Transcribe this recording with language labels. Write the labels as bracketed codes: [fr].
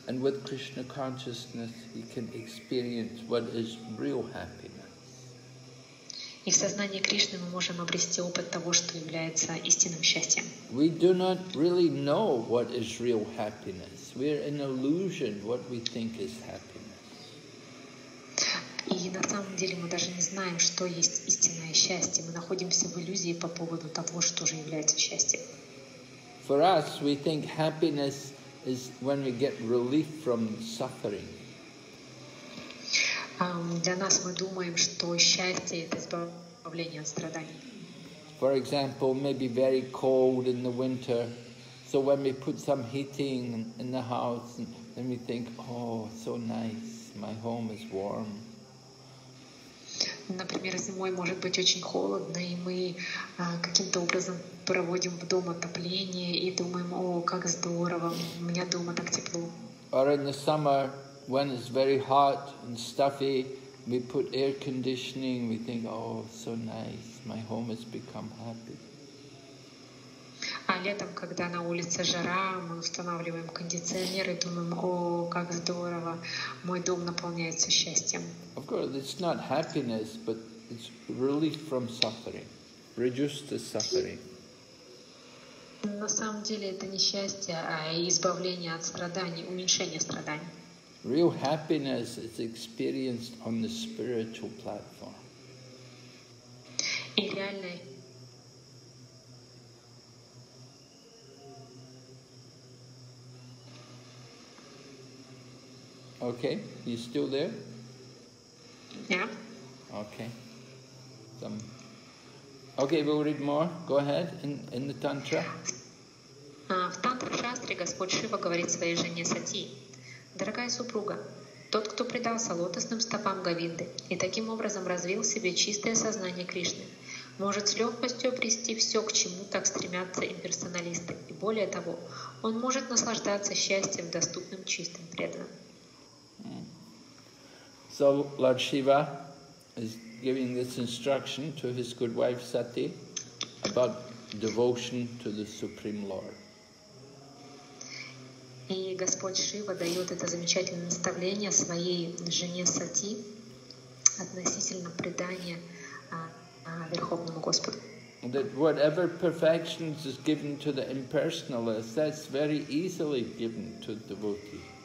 [en] And with Krishna consciousness, he can experience what is real happiness. [ru] И в сознании Кришны мы можем обрести опыт того, что является истинным счастьем. [en] We do not really know what is real happiness. We are an illusion what we think is happiness. [ru] И на самом деле мы даже не знаем, что есть истинное счастье. Мы находимся в иллюзии по поводу того, что же является счастьем. [en] For us, we think happiness is when we get relief from suffering. [ru] Для нас мы думаем, что счастье — это избавление от страданий. [en] For example, maybe very cold in the winter, so when we put some heating in the house, then we think, oh, so nice, my home is warm. [ru] Например, зимой может быть очень холодно, и мы каким-то образом проводим в дом отопление и думаем, о, как здорово, у меня дома так тепло. [en] Or in the summer, when it's very hot and stuffy, we put air conditioning, we think, oh, so nice, my home has become happy. [ru] А летом, когда на улице жара, мы устанавливаем кондиционер и думаем, о, как здорово, мой дом наполняется счастьем. [en] Of course, it's not happiness, but it's relief from suffering, reduce the suffering. [ru] На самом деле это не счастье, а избавление от страданий, уменьшение страданий. [en] Real happiness is experienced on the spiritual platform. [ru] И реальное. [en] Okay, you still there? Yeah. Okay. Okay, we'll read more. Go ahead in the Tantra. [ru] В Тантра-шастре Господь Шива говорит своей жене Сати: «Дорогая супруга, тот, кто предался лотосным стопам Говинды и таким образом развил в себе чистое сознание Кришны, может с легкостью обрести все, к чему так стремятся имперсоналисты. И более того, он может наслаждаться счастьем, доступным чистым преданным». [en] So Lord Shiva is giving this instruction to his good wife Sati about devotion to the Supreme Lord. [ru] И Господь Шива дает это замечательное наставление своей жене Сати относительно предания Верховному Господу. [en] That whatever perfections is given to the impersonalist, that's very easily given to the devotee.